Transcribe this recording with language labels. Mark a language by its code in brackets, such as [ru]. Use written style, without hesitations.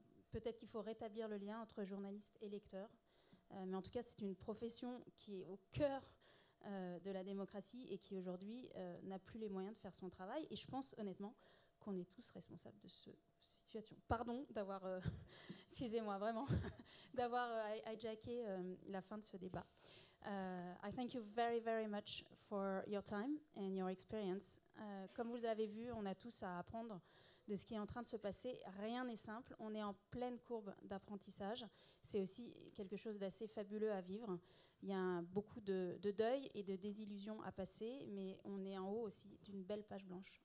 [fr] Peut-être qu'il faut rétablir le lien entre journalistes et lecteurs. Mais en tout cas, c'est une profession qui est au cœur de la démocratie et qui aujourd'hui n'a plus les moyens de faire son travail. Et je pense honnêtement qu'on est tous responsables de ce situation. Pardon d'avoir, excusez-moi vraiment, d'avoir hijacké la fin de ce débat. [en] I thank you very, very much for your time and your experience. [fr] Comme vous avez vu, on a tous à apprendre de ce qui est en train de se passer. Rien n'est simple. On est en pleine courbe d'apprentissage. C'est aussi quelque chose d'assez fabuleux à vivre. Il y a beaucoup de deuil et de désillusions à passer, mais on est en haut aussi d'une belle page blanche.